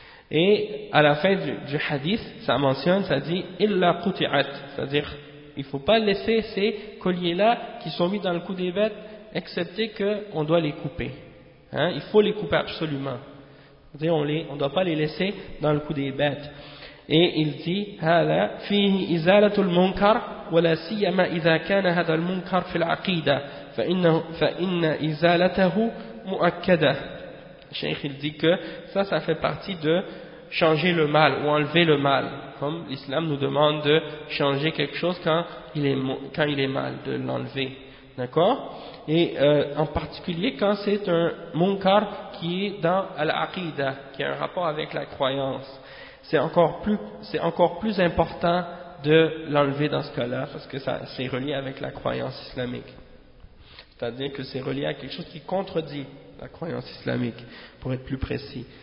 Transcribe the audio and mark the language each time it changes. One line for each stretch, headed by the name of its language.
French: Et à la fin du hadith, ça mentionne, ça dit « illa quti'at », c'est-à-dire il ne faut pas laisser ces colliers-là qui sont mis dans le cou des bêtes, excepté qu'on doit les couper. Hein? Il faut les couper absolument. C'est-à-dire on ne doit pas les laisser dans le cou des bêtes. Et il dit
Arabic: هَلَا فِيهِ إِزَالَةُ الْمُنْكَرِ وَلَا سِيَّمَا إِذَا كَانَ هَذَا الْمُنْكَرِ فِي الْعَقِيدَةِ فَإِنَّ إِزَالَتَهُ مُؤَكَّدَةِ.
French: Cheikh il dit que ça fait partie de changer le mal ou enlever le mal, comme l'islam nous demande de changer quelque chose quand il est mal, de l'enlever, d'accord. Et en particulier quand c'est un munkar qui est dans al-aqida, qui a un rapport avec la croyance, c'est encore plus important de l'enlever dans ce cas-là, parce que ça c'est relié avec la croyance islamique, c'est-à-dire que c'est relié à quelque chose qui contredit la croyance islamique, pour être plus précis.